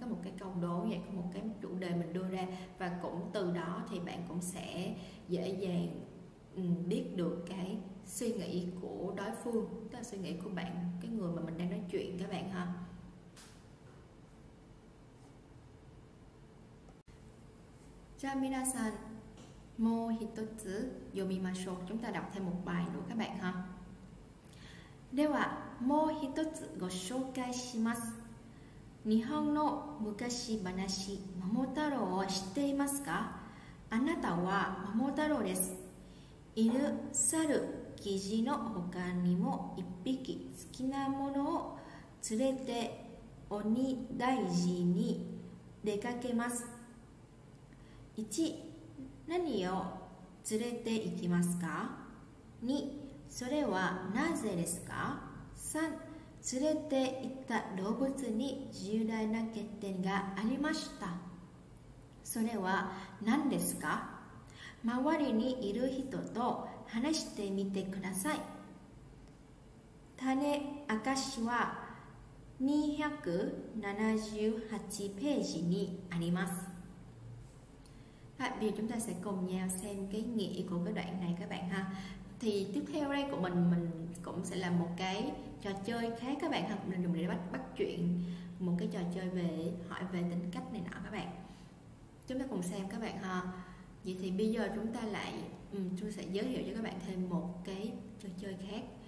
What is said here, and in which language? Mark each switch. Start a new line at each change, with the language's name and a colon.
Vietnamese: Có một cái câu đố vậy, có một cái chủ đề mình đưa ra, và cũng từ đó thì bạn cũng sẽ dễ dàng biết được cái suy nghĩ của đối phương, tức là suy nghĩ của bạn, cái người mà mình đang nói chuyện các bạn ha.
Japanese: Jamina-san, mô hitotsu yomimashou,
Vietnamese: chúng ta đọc thêm một bài nữa các bạn ha.
Japanese: ではもう一つご紹介します。日本の昔話桃太郎を知っていますか？あなたは桃太郎です。犬、猿、キジの他にも一匹好きなものを連れて鬼大臣に出かけます。 1. 何を連れて行きますか？ 2. それはなぜですか？3. 連れて行った動物に重大な欠点がありました。それは何ですか？周りにいる人と話してみてください。種明かしは278ページにあります。
Vietnamese: はい、bây giờ chúng ta sẽ cùng nhau xem cái nghĩa của cái đoạn này các bạn ha. Thì tiếp theo đây của mình cũng sẽ làm một cái trò chơi khác các bạn học, mình dùng để bắt chuyện, một cái trò chơi về hỏi về tính cách này nọ các bạn. Chúng ta cùng xem các bạn ha. Vậy thì bây giờ chúng ta lại tôi sẽ giới thiệu cho các bạn thêm một cái trò chơi khác.